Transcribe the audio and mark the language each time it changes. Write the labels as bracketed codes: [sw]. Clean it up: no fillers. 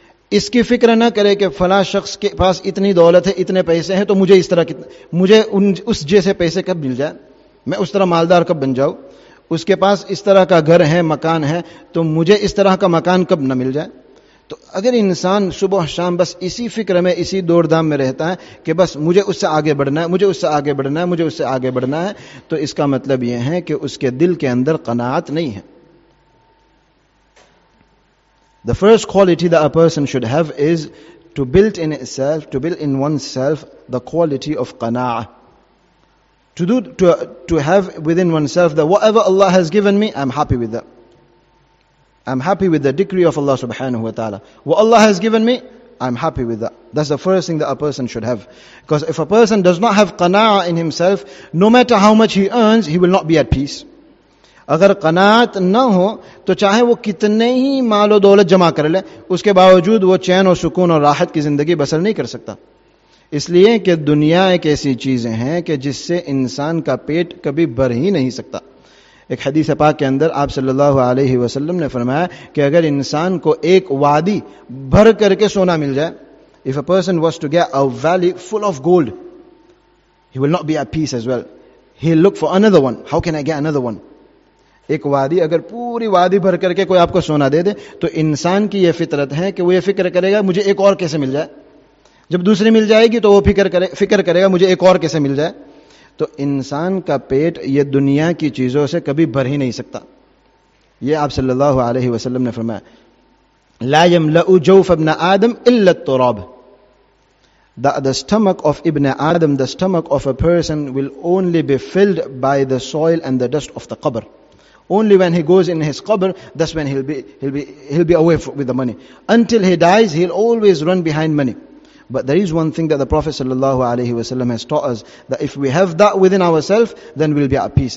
[ur] اس کی فکر نہ کرے کہ فلاں شخص کے پاس اتنی دولت ہے, اتنے پیسے ہیں, تو مجھے اس طرح مجھے اس جیسے پیسے کب مل جائے, میں اس طرح مالدار کب بن جاؤں, اس کے پاس اس طرح کا گھر ہے, مکان ہے, تو مجھے اس طرح کا مکان کب نہ مل جائے. تو اگر انسان صبح شام بس اسی فکر میں, اسی دوڑ دھام میں رہتا ہے کہ بس مجھے اس سے آگے بڑھنا ہے, مجھے اس سے آگے بڑھنا ہے, مجھے اس سے آگے بڑھنا ہے, تو اس کا مطلب یہ ہے کہ اس کے دل کے اندر قناعت نہیں ہے. [en] The first quality that a person should have is to build in itself, to build in oneself the quality of qana'ah. To have within oneself that whatever Allah has given me, I'm happy with that. I'm happy with the decree of Allah subhanahu wa ta'ala. What Allah has given me, I'm happy with that. That's the first thing that a person should have. Because if a person does not have qana'ah in himself, no matter how much he earns, he will not be at peace. [ur] اگر قناعت نہ ہو تو چاہے وہ کتنے ہی مال و دولت جمع کر لے, اس کے باوجود وہ چین اور سکون اور راحت کی زندگی بسر نہیں کر سکتا. اس لیے کہ دنیا ایک ایسی چیز ہے کہ جس سے انسان کا پیٹ کبھی بھر ہی نہیں سکتا. ایک حدیث پاک کے اندر آپ صلی اللہ علیہ وسلم نے فرمایا کہ اگر انسان کو ایک وادی بھر کر کے سونا مل جائے, [en] if a person was to get a valley full of gold, he will not be at peace as well. He'll look for another one. How can I get another one? [ur] ایک وادی, اگر پوری وادی بھر کر کے کوئی آپ کو سونا دے دے, تو انسان کی یہ فطرت ہے کہ وہ یہ فکر کرے گا مجھے ایک اور کیسے مل جائے, جب دوسری مل جائے گی تو وہ فکر کرے گا مجھے ایک اور کیسے مل جائے. تو انسان کا پیٹ یہ دنیا کی چیزوں سے کبھی بھر ہی نہیں سکتا. یہ آپ صلی اللہ علیہ وسلم نے فرمایا, [ar] لا یملأ جوف ابن آدم الا التراب. [en] The stomach of ابن آدم, the stomach of a person will only be filled by the soil and the dust of the قبر. Only when he goes in his قبر, that's when he'll be away with the money. Until he dies, he'll always run behind money. But there is one thing that the Prophet sallallahu alaihi wasallam has taught us, that if we have that within ourselves, then we'll be at peace.